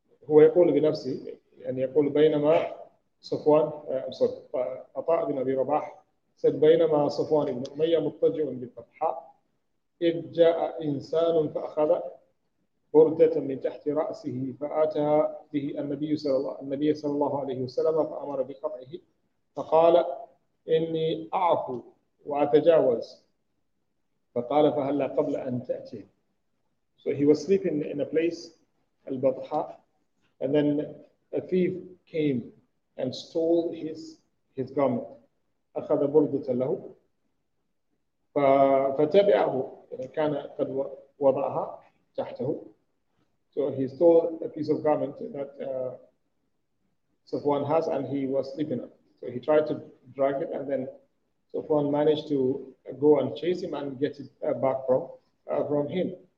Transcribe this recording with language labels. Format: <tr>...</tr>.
<ar>هو يقول بنفسه، يعني يقول بينما صفوان أطاع بن أبي رباح said بينما صفوان بن أمية مضطجع بالفتحاء إذ جاء إنسان فأخذ بردة من تحت رأسه فأتى به النبي صلى الله عليه وسلم فأمر بقطعه، فقال إني أعفو وأتجاوز، فقال فهلا قبل أن تأتي.</ar> <en>So he was sleeping in a place, البطحاء, and then a thief came and stole his garment.</en> <ar>أخذ بردة له فتبعه، كان قد وضعها تحته.</ar> <en>So he stole a piece of garment that Safwan has and he was sleeping on. So he tried to drag it and then Safwan managed to go and chase him and get it back from him.</en>